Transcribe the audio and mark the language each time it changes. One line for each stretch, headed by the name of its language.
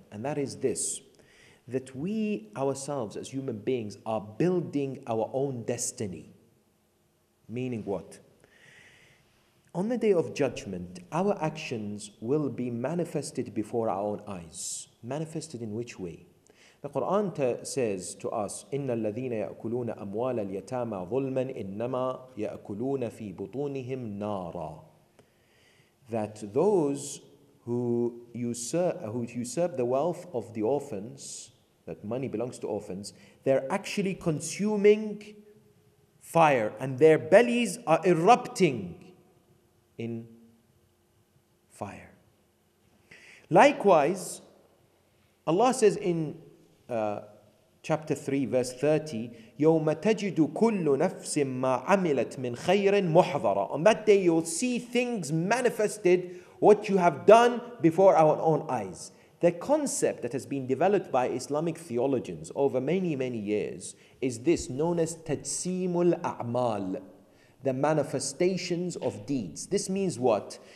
English: And that is this, that we ourselves as human beings are building our own destiny. Meaning what? On the day of judgment, our actions will be manifested before our own eyes. Manifested in which way? The Quran says to us,
Arabic: إِنَّ الَّذِينَ يَأْكُلُونَ أَمْوَالَ الْيَتَامَ ظُلْمًا إِنَّمَا يَأْكُلُونَ فِي بُطُونِهِمْ نَارًا.
English: That those who usurp the wealth of the orphans, that money belongs to orphans, they're actually consuming fire and their bellies are erupting in fire. Likewise, Allah says in chapter 3, verse 30,
Arabic: يَوْمَ تَجِدُ كُلُّ نَفْسٍ مَا عَمِلَتْ مِنْ خَيْرٍ مُحْضَرًا.
English: On that day, you'll see things manifested, what you have done before our own eyes. The concept that has been developed by Islamic theologians over many, many years is this, known as تَجْسِيمُ الْأَعْمَالِ, the manifestations of deeds. This means what?